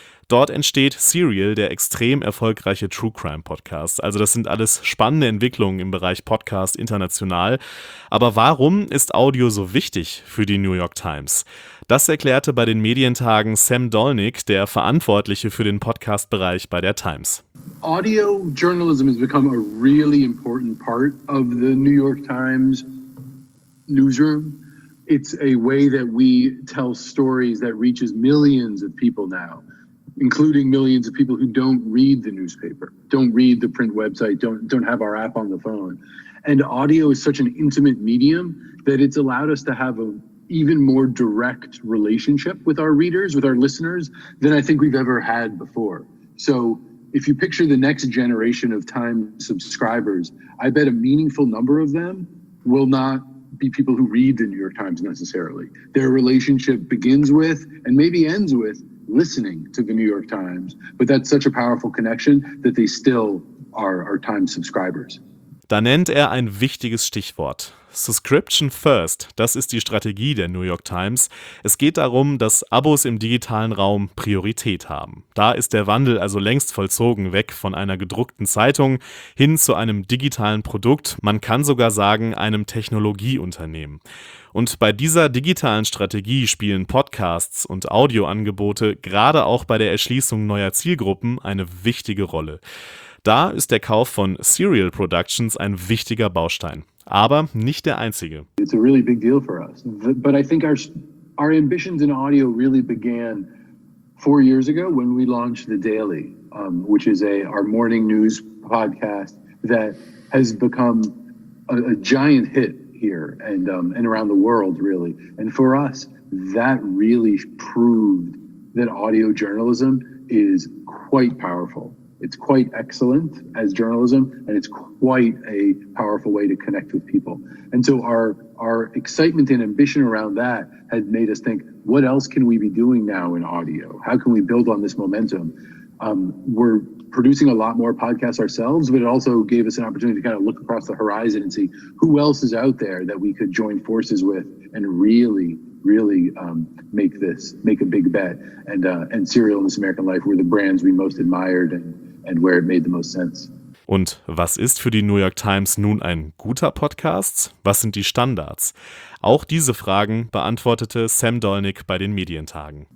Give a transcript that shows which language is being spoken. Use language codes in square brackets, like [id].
[de] Dort entsteht Serial, der extrem erfolgreiche True-Crime-Podcast. Also das sind alles spannende Entwicklungen im Bereich Podcast international. Aber warum ist Audio so wichtig für die New York Times? Das erklärte bei den Medientagen Sam Dolnick, der Verantwortliche für den Podcast-Bereich bei der Times. [en] Audio journalism has become a really important part of the New York Times newsroom. It's a way that we tell stories that reaches millions of people now. including millions of people who don't read the newspaper, don't read the print website, don't have our app on the phone. And audio is such an intimate medium that it's allowed us to have an even more direct relationship with our readers, with our listeners, than I think we've ever had before. So if you picture the next generation of Time subscribers, I bet a meaningful number of them will not be people who read the New York Times necessarily. Their relationship begins with, and maybe ends with, listening to the New York Times. But that's such a powerful connection that they still are Time subscribers. [de] Da nennt er ein wichtiges Stichwort. [en] Subscription first, [de] das ist die Strategie der New York Times. Es geht darum, dass Abos im digitalen Raum Priorität haben. Da ist der Wandel also längst vollzogen, weg von einer gedruckten Zeitung hin zu einem digitalen Produkt, man kann sogar sagen einem Technologieunternehmen. Und bei dieser digitalen Strategie spielen Podcasts und Audioangebote gerade auch bei der Erschließung neuer Zielgruppen eine wichtige Rolle. Da ist der Kauf von Serial Productions ein wichtiger Baustein, aber nicht der einzige. [en] It's a really big deal for us. But I think our ambitions in audio really began 4 years ago when we launched The Daily, which is our morning news podcast that has become a giant hit here and around the world, really. And for us, that really proved that audio journalism is quite powerful. It's quite excellent as journalism, and it's quite a powerful way to connect with people. And so our excitement and ambition around that had made us think, what else can we be doing now in audio? How can we build on this momentum? We're producing a lot more podcasts ourselves, but it also gave us an opportunity to kind of look across the horizon and see who else is out there that we could join forces with and really make a big bet. And Serial and This American Life were the brands we most admired and where it made the most sense. [de] Und was ist für die New York Times nun ein guter Podcast? Was sind die Standards? Auch diese Fragen beantwortete Sam Dolnick bei den Medientagen.